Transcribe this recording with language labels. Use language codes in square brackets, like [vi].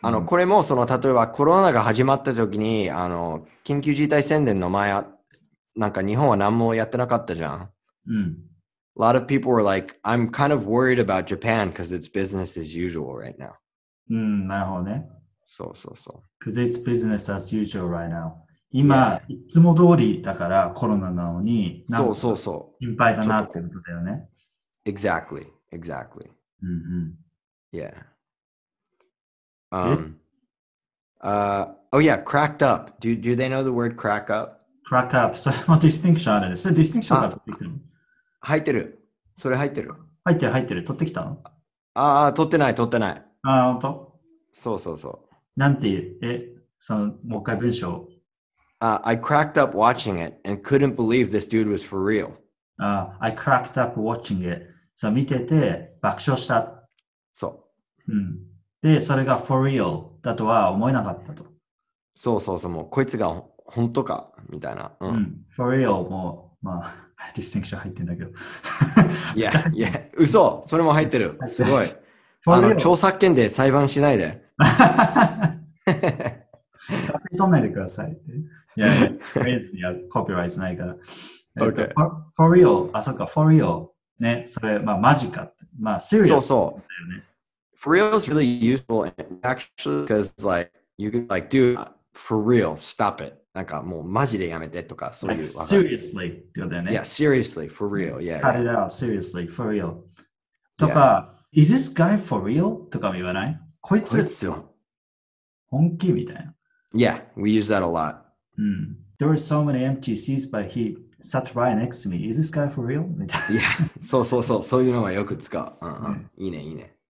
[ja] これもその例えばコロナが始まった時に緊急事態宣言の前なんか日本は何もやってなかったじゃん。うん。 [en] A lot of people were like, I'm kind of worried about Japan because it's business as usual right now. [ja] うん、なるほどね。そうそうそう。 [en] Because it's business as usual right now. 今、yeah. [ja] いつも通りだからコロナなのに、そうそうそう。心配だなってことだよね。 [en] Exactly. Exactly. Mm-hmm. Yeah. Cracked up. Do they know the word crack up? Crack up. [ja] それもディスティンクションあるね。それディスティンクションが取ってきたの？入ってる。それ入ってる。入ってる入ってる。取ってきたの？ああ、取ってない取ってない。ああ、本当？そうそうそう。なんていう？え、そのもう一回文章。 [en] I cracked up watching it and couldn't believe this dude was for real. I cracked up watching it. So, [ja] 見てて爆笑した。そう。うん。で、それが [en] for real [ja] だとは思えなかったと。そうそうそう、もうこいつが本当かみたいな。うん。 [en] for real [ja] も、まあ、ディスティンクション入ってんだけど。いや、いや、嘘、それも入ってる。すごい。あの、著作権で裁判しないで。勝手に取らないでくださいって。いやいや、フレーズにはコピーライトないから。 for real、あ、そっか、for real。ね、それ、まあ、マジかって。まあ、serious そうそう。 [en] For real is really useful and actually because like, you can like, do for real, stop it. [ja] なんかもうマジでやめてとか、そういう。 [en] Like, seriously [ja] ってことだよね。 [en] Yeah, seriously, for real, yeah. Cut it out, seriously, for real. [ja] とか、 [en] yeah. is this guy for real? [ja] とかも言わない？こいつ、こいつ本気みたいな。 [en] Yeah, we use that a lot.、うん、There were so many empty seats, but he sat right next to me. Is this guy for real? [ja] みたいな。 Yeah, そうそうそう、そういうのはよく使う。うんうん、いいね、いいね。